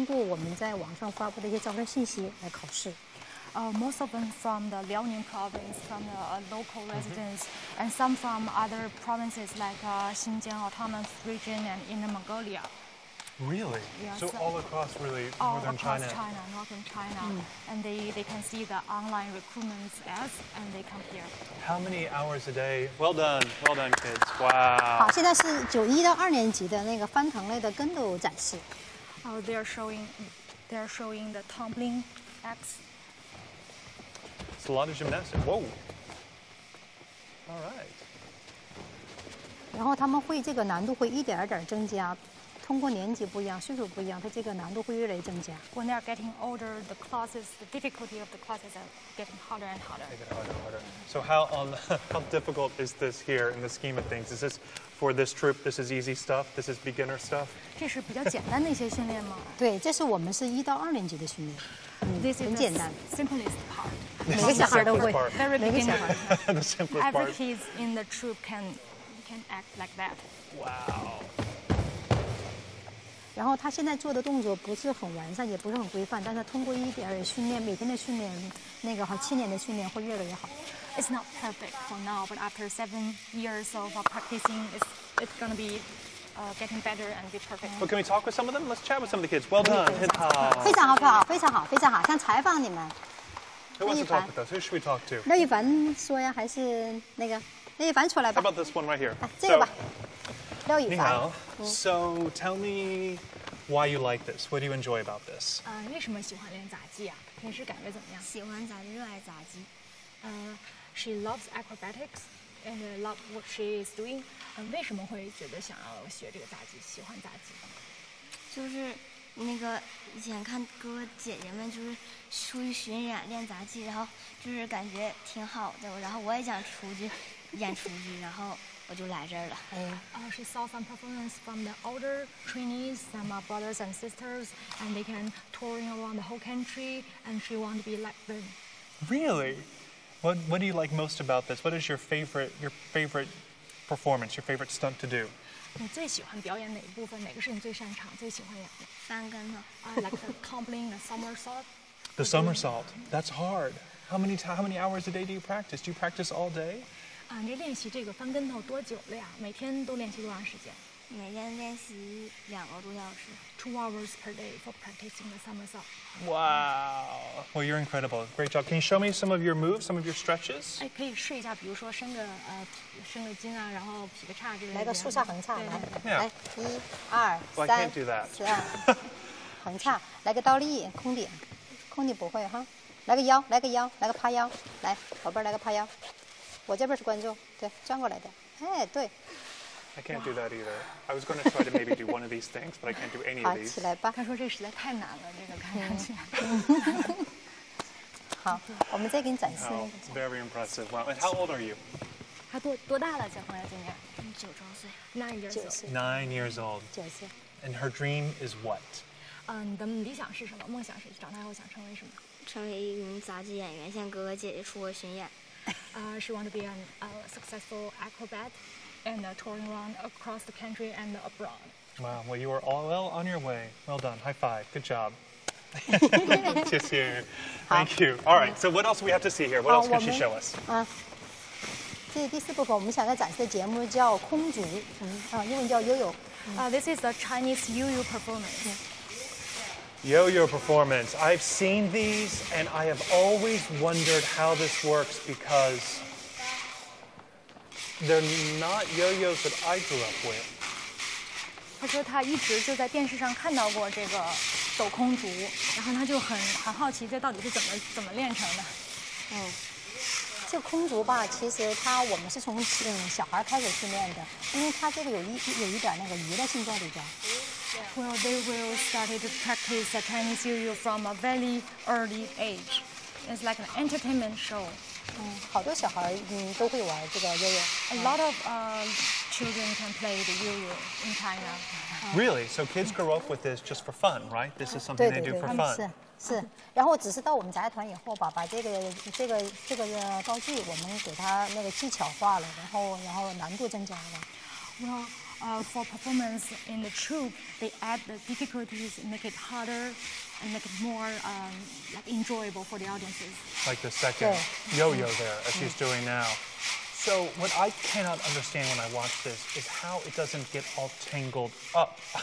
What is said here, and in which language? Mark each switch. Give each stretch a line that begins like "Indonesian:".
Chinese: 他们是来自全国吗？还是大部分都是咱们沈阳本地的？沈阳还有那个省内的居多，但是我们也有那个新疆的孩子，然后还有省外的孩子，内蒙古的孩子，他们是通过我们在网上发布的一些招生信息来考试。
English: Most of them from the Liaoning province, from the local residents, and some from other provinces like Xinjiang Autonomous Region and Inner Mongolia. Really? Yeah, so all across really northern China. Northern China. And they can see the online recruitment ads and they come here. How many hours a day? Well done, kids. Wow.
Chinese: 好，现在是九一到二年级的那个翻腾类的跟斗展示。
English: They're showing the tumbling acts. It's a lot of gymnastics. Whoa. All right.
Chinese: 然后他们会这个难度会一点点增加。通过年纪不一样岁数不一样它这个难度会越来越增加
English: When they are getting older the classes the difficulty of the classes are getting harder and harder So how difficult is this here in the scheme of things is this for this troop this is easy stuff this is beginner stuff
Chinese: 这是比较简单的一些训练吗对这是我们是一到二年级的训练
English: This is the simplest part.
Chinese: 每个小孩都会
English: Very beginner. The simplest part. Every kid in the troop can act like that. Wow.
Chinese: 然后他现在做的动作不是很完善，也不是很规范，但是通过一点训练，每天的训练，那个哈七年的训练会越来越好。
English: It's not perfect for now, but after 7 years of practicing, it's going to be. Getting better and be perfect. But can we talk with some of them? Let's chat with some of the kids. Well done.
Chinese: 非常好，非常好，非常好，非常好。想采访你们。
English: Who wants to talk with us? Who should we talk to?
Chinese: 那一凡说呀，还是那个，那一凡出来吧。
English: How about this one right here?
Chinese: 这个吧。廖一凡。你好。
English: So tell me why you like this. What do you enjoy about this?
Chinese: 为什么喜欢练杂技啊？平时感觉怎么样？喜欢杂技，热爱杂技。
English: She loves acrobatics. And love what she is doing.
Chinese: 为什么会觉得想要学这个杂技？喜欢杂技？就是那个以前看哥哥姐姐们就是出去巡演练杂技，然后就是感觉挺好的。然后我也想出去演出去，然后我就来这儿了。
English: She saw some performance from the older trainees, some brothers and sisters, and they can touring around the whole country, and she want to be like them. Really? What do you like most about this? What is your favorite performance, your favorite stunt to do?
Chinese: 你最喜欢表演哪一部分？哪个是你最擅长？最喜欢演翻跟头。
English: Like the tumbling, the somersault. The somersault. That's hard. How many hours a day do you practice? Do you practice all day?
Chinese: 你练习这个翻跟头多久了呀？每天都练习多长时间？每天练习2个多小时。
English: 2 hours per day for practicing the somersault. Wow. Well, you're incredible. Great job. Can you show me some of your moves, some of your stretches?
Chinese: 可以试一下，比如说伸个筋啊，然后劈个叉之类的。来个竖叉横叉，来。
English: Yeah.
Chinese: 来，一、二、三。
English: I can't do that.
Chinese: 横叉，来个倒立，空顶，空顶不会哈。来个腰，来个腰，来个趴腰，来，宝贝儿，来个趴腰。我这边是观众，对，转过来的。哎，对。
English: I can't do that either. I was going to try to maybe do one of these things, but I can't do any of these.
Chinese: 起来吧。他说这实在太难了，这个看上去。好，我们再给你展示。
English: Very impressive. Wow. And how old are you?
Chinese: 他多大了，小朋友今年？ 9周岁。
English: 9 years old.
Chinese: 9岁。
English: And her dream is what?
Chinese: 的理想是什么？梦想是长大后想成为什么？成为一名杂技演员，像哥哥姐姐出国巡演。
English: She want to be an successful acrobat. And touring around across the country and abroad. Wow, well, you are all well on your way. Well done. High five. Good job. Thank you. All right, so what else do we have to see here? What else can she show us?
Chinese: 这第四部分我们想要展示的节目叫空竹，英文叫悠悠。
English: This is the Chinese yo-yo performance. Yo-yo performance. I've seen these, and I have always wondered how this works because... They're not yo-yos that I grew up with.
Chinese: 他说他一直就在电视上看到过这个抖空竹，然后他就很好奇这到底是怎么练成的。这个空竹吧，其实它我们是从小孩开始训练的，因为它这个有一点那个娱乐性在里边。
English: Well, they will start to practice the Chinese yo-yo from a very early age. It's like an entertainment show.
Chinese: 好多小孩都会玩这个悠悠。
English: A lot of children can play the yo-yo in China. Really? So kids grow up with this just for fun, right? This is something they do for fun.
Chinese: 是，然后只是到我们杂技团以后吧，把这个道具我们给它那个技巧化了，然后难度增加了。
English: Well, for performance in the troop, they add the difficulties, make it harder. And make it more enjoyable for the audiences. Like the second yo-yo there, as she's doing now. So what I cannot understand when I watch this is how it doesn't get all tangled up.